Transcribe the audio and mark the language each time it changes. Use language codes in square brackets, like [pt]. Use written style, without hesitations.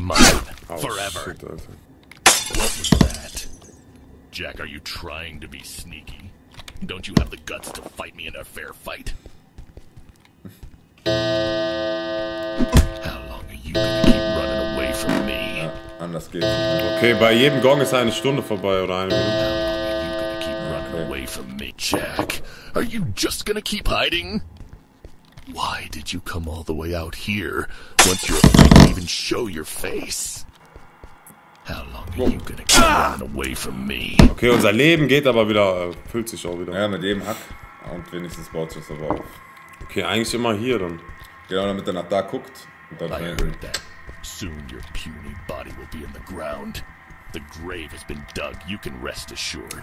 [en] mine. Forever. Oh, shit, [de] Alter. [en] What was that? Jack, are you trying to be sneaky? Don't you have the guts to fight me in a fair fight? How long are you gonna keep running away from me? [de] Ja, anders geht's. Okay, bei jedem Gong ist eine Stunde vorbei oder eine Minute. [en] How long are you gonna keep running okay. away from me, Jack? Are you just gonna keep hiding? Why did you come all the way out here, once you're afraid to even show your face? How long are you gonna keep running away from me? [de] Okay, unser Leben geht aber wieder, füllt sich auch wieder. Ja, mit jedem Hack und wenigstens baut sich das aber auf. Okay, eigentlich immer hier dann. Genau, damit er nach da guckt und dann hin. [en] Soon your puny body will be in the ground. The grave has been dug. You can rest assured.